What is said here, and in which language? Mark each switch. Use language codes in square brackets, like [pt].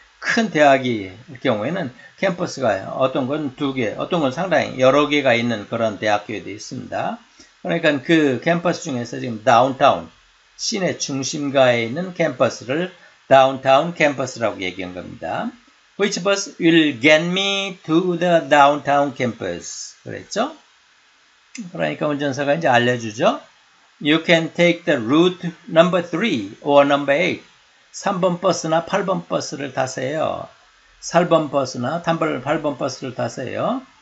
[ko] 큰 대학이 경우에는 캠퍼스가 어떤 건두 개, 어떤 건 상당히 여러 개가 있는 그런 대학교에도 있습니다. 그러니까 그 캠퍼스 중에서 지금 다운타운, 시내 중심가에 있는 캠퍼스를 다운타운 캠퍼스라고 얘기한 겁니다. [en] Which bus will get me to the downtown campus? [ko] 그랬죠? 그러니까 운전사가 이제 알려주죠. [en] You can take the route number 3 or number 8. [ko] 3번 버스나 8번 버스를 타세요. 3번 버스나 8번 버스를 타세요.